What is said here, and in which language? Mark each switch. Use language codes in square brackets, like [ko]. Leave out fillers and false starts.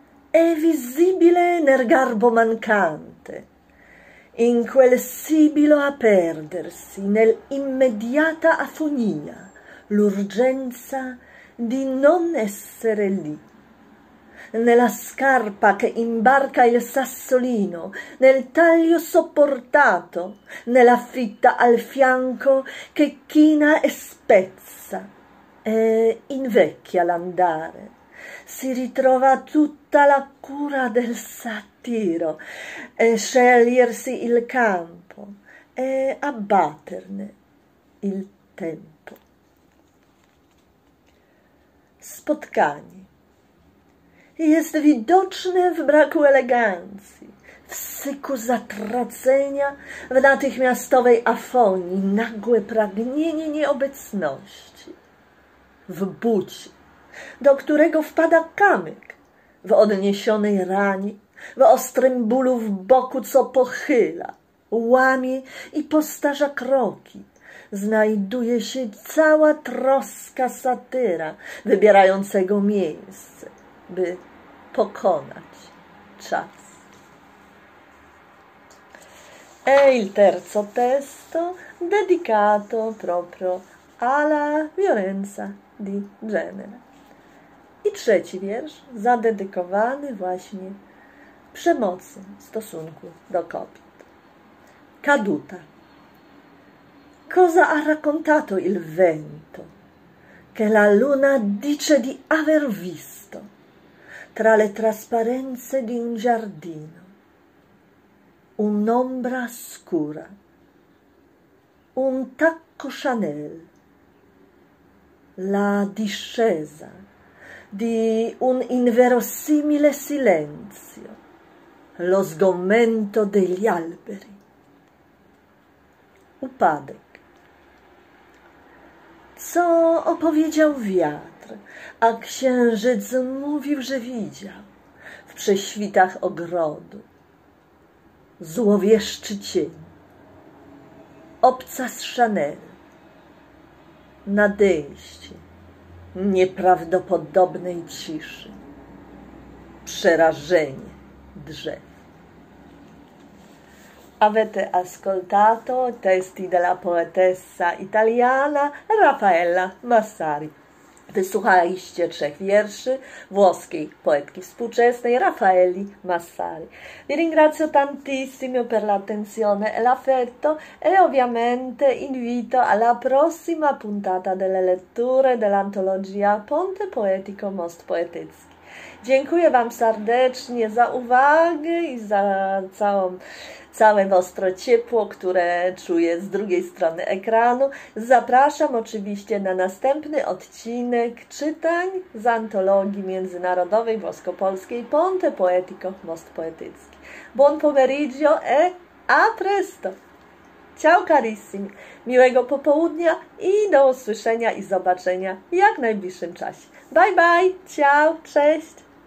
[it] È visibile nel garbo mancante, in quel sibilo a perdersi, nell'immediata afonia, l'urgenza di non essere lì, nella scarpa che imbarca il sassolino, nel taglio sopportato, nella fitta al fianco che china e spezza e invecchia l'andare. Si ritrova tutta la cura del satiro e scegliersi il campo e abbatterne il tempo. [pl] Spotkanie. Jest widoczne w braku eleganzji, w syku zatracenia, w natychmiastowej afonii, nagłe pragnienie nieobecności, w bucie, do którego wpada kamyk w odniesionej rani, w ostrym bólu w boku, co pochyla, łamie i postarza kroki. Znajduje się cała troska satyra wybierającego miejsce, by pokonać czas. [it] E il terzo testo dedicato proprio alla violenza di genere. [pl] I trzeci wiersz zadedykowany właśnie przemocy w stosunku do kobiet. [it] Caduta. Cosa ha raccontato il vento? Che la luna dice di aver visto tra le trasparenze di un giardino un'ombra scura, un tacco Chanel, la discesa di un inverosimile silenzio, lo sgomento degli alberi. [pl] Upadek. Co opowiedział wiatr, a księżyc mówił, że widział w prześwitach ogrodu złowieszczy cień, obcas Chanel, nadejście nieprawdopodobnej ciszy, przerażenie drzew. [it] Avete ascoltato i testi della poetessa italiana Raffaella Massari. [pl] Wysłuchaliście trzech wierszy włoskiej poetki współczesnej Raffaeli Massari. [it] Vi ringrazio tantissimo per l'attenzione e l'affetto e ovviamente invito alla prossima puntata delle letture dell'antologia Ponte Poetico Most Poetycki. [pl] Dziękuję Wam serdecznie za uwagę i za całe [it] vostro [pl] ciepło, które czuję z drugiej strony ekranu. Zapraszam oczywiście na następny odcinek czytań z antologii międzynarodowej włosko-polskiej Ponte Poetico Most Poetycki. [it] Buon pomeriggio e a presto! Ciao carissimi! [pl] Miłego popołudnia i do usłyszenia i zobaczenia jak w najbliższym czasie. [en] Bye bye! [it] Ciao! [pl] Cześć!